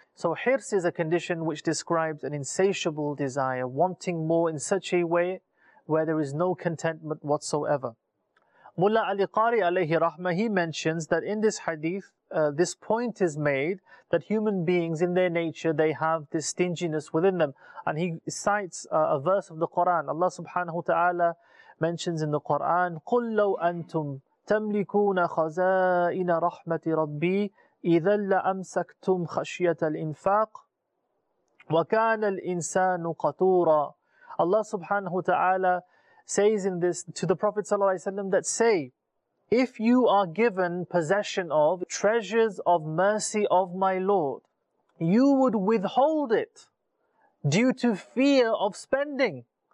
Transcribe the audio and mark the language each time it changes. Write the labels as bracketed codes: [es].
[en] So hirs is a condition which describes an insatiable desire, wanting more in such a way where there is no contentment whatsoever. Mullah Ali Qari alayhi rahmah, he mentions that in this hadith, this point is made that human beings in their nature, they have this stinginess within them. And he cites a verse of the Quran. Allah subhanahu wa ta'ala mentions in the Quran, [ar] قُلْ لَوْ أَنْتُمْ تَمْلِكُونَ خَزَائِنَ رَحْمَةِ رَبِّي إِذَا لَأَمْسَكْتُمْ خَشْيَةَ الْإِنْفَاقِ وَكَانَ الْإِنسَانُ قَتُورًا. [en] Allah subhanahu wa ta'ala says in this to the Prophet sallallahu alayhi wa sallam, that say, if you are given possession of treasures of mercy of my Lord, you would withhold it due to fear of spending.